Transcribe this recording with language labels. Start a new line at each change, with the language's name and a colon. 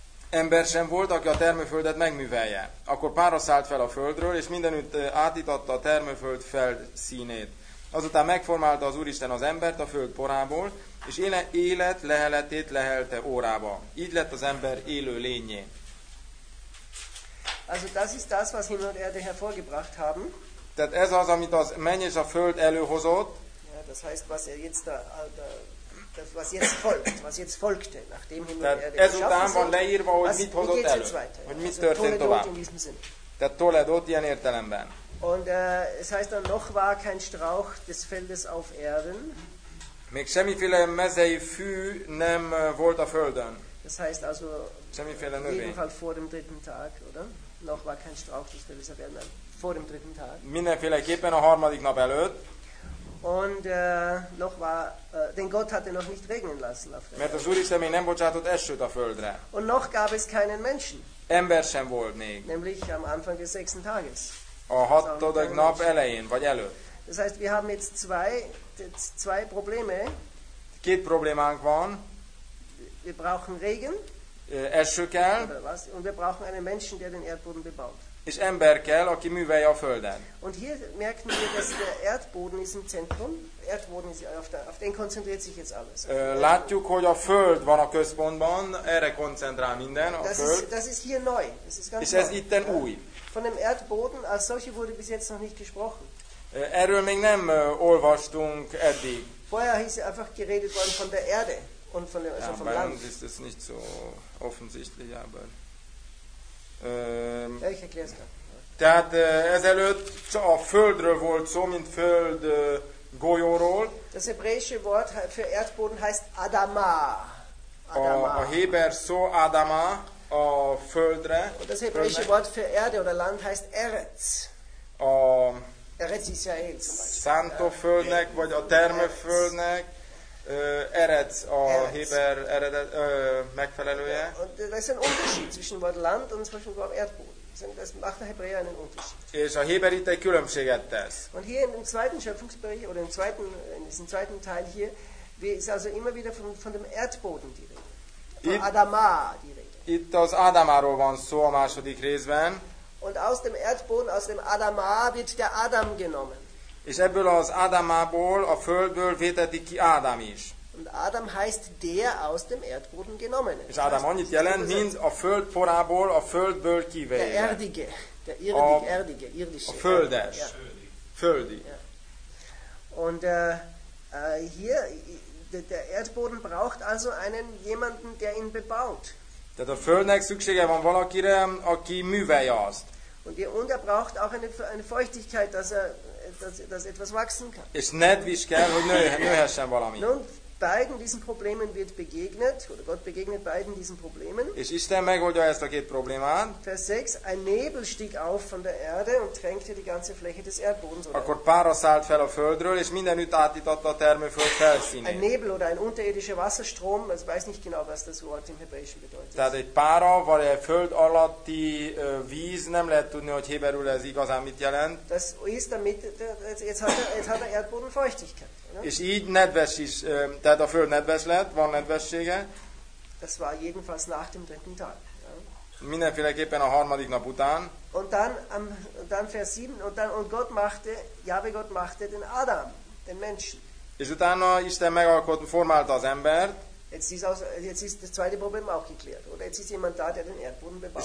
Hungarian: Ember sem volt, aki a termőföldet megművelje. Akkor pára szállt fel a földről, és mindenütt átitatta a termőföld felszínét. Azután megformálta az Úristen az embert a föld porából, és élet leheletét lehelte órába. Így lett az ember élő lényé.
German: Also das ist das, was Himmel und Erde hervorgebracht haben.
Hungarian: Tehát ez az, amit az menny és a föld előhozott.
German: Ja, das heißt, was er jetzt da das, was jetzt folgt, was jetzt folgte, nachdem Himmel
Hungarian: sind. Ezután van leírva, hogy mit hozott elő.
German: Weiter,
Hungarian: hogy mit történt tovább. Tehát Toledot ilyen értelemben.
German: Und es heißt dann, noch war kein Strauch des Feldes auf Erden.
Hungarian: Még semmiféle mezei fű nem volt a földön.
German: Das heißt also,
Hungarian: semmiféle növény.
German: Jedenfall vor dem dritten Tag, oder? Noch war kein Strauch des Feldes auf Erden, vor dem dritten Tag.
Hungarian: Mindenféleképpen a harmadik nap előtt.
German: Und noch war, denn Gott hatte noch nicht regnen lassen auf der Erde.
Hungarian: Mert az Úristen még nem bocsátott esőt a földre.
German: Und noch gab es keinen Menschen.
Hungarian: Ember sem volt még.
German: Nämlich am Anfang des sechsten Tages.
Hungarian: A hatodik nap elején, vagy előtt.
German: Das heißt, wir haben jetzt zwei Probleme.
Hungarian: Két problémánk van.
German: Wir brauchen Regen.
Hungarian: Eső kell.
German: Und wir brauchen einen Menschen, der den Erdboden bebaut.
Hungarian: És ember kell, aki művelje a földet.
German: Und hier merken wir, dass der Erdboden ist im Zentrum. Erdboden ist auf den konzentriert sich jetzt alles.
Hungarian: Látjuk, hogy a föld van a központban, erre koncentrál minden, a föld.
German: Das ist hier neu. Das ist ganz
Hungarian: és ez itten új.
German: Von dem Erdboden als solche wurde bis jetzt noch nicht gesprochen.
Hungarian: Erről még nem olvastunk eddig.
German: Vorher hieß es einfach geredet worden von der Erde und von dem, ja, also vom Land. Bei uns ist es nicht so offensichtlich, aber. Ja, ich erkläre es gerade.
Hungarian: Tehát ezelőtt csak a földről volt szó, mint föld golyóról.
German: Das hebräische Wort für Erdboden heißt Adama.
Hungarian: A héber szó Adama a földre.
German: Und das hebräische
Hungarian: földnek.
German: Wort für Erde oder Land heißt Eretz. Eretz Israel.
Hungarian: Szántó földnek, vagy a termőföldnek. Eretz a héber eredet megfelelője.
German: Ja,
Hungarian: ez egy
German: Unterschied zwischen Wort Land und zwischen Wort Erdboden. Das macht der Hebräer einen Unterschied.
Hungarian: És a héber itt egy különbséget tesz.
German: Und hier im zweiten Schöpfungsbericht oder in diesem zweiten Teil hier, ist also immer wieder von dem Erdboden die Rede. Von Adama die Rede.
Hungarian: Itt az Adamáról van szó a második részben.
German: Und aus dem Erdboden, aus dem Adama wird der Adam genommen.
Hungarian: És ebből az Ádámából, a földből vétetik ki Ádám is.
German: Und Adam heißt der aus dem Erdboden genommen.
Hungarian: És Ádám annyit jelent, mint a föld porából, a földből kivéve.
German: Der irdige,
Hungarian: a földes.
German: Ja.
Hungarian: Földi.
German: Ja. Und hier, der Erdboden braucht also einen jemanden, der ihn bebaut.
Hungarian: Tehát a földnek szüksége van valakire, aki művelje azt.
German: Und er braucht auch eine Feuchtigkeit, dass etwas wachsen kann.
Hungarian: És nedvis kell, hogy nőhessen valami.
German: Nun, beiden diesen Problemen wird begegnet, oder Gott begegnet beiden diesen Problemen.
Hungarian: És Isten megoldja ezt a két problémát.
German: Vers 6, ein Nebel stieg auf von der Erde und tränkte die ganze Fläche des Erdbodens.
Hungarian: Akkor pára szállt fel a földről, és mindenütt átitatta a termőföld felszínét.
German: Ein Nebel oder ein unterirdischer Wasserstrom, ich weiß nicht genau, was das Wort im Hebräischen bedeutet.
Hungarian: Tehát egy pára, vagy egy föld alatti víz, nem lehet tudni, hogy héberül ez igazán mit jelent.
German: Das ist damit, jetzt hat der Erdboden Feuchtigkeit.
Hungarian: És így nedves is, tehát a föld nedves lett, van nedvessége.
German: Das war jedenfalls nach dem dritten Tag. Ja.
Hungarian: Mindenféleképpen a harmadik nap után.
German: Und dann Vers 7 und Gott machte, Jahwe Gott machte den Adam, den Menschen.
Hungarian: És utána Isten megalkotta, formálta az embert.
German: Jetzt ist das zweite Problem auch geklärt. Oder jetzt ist jemand da, der den Erdboden bebaut.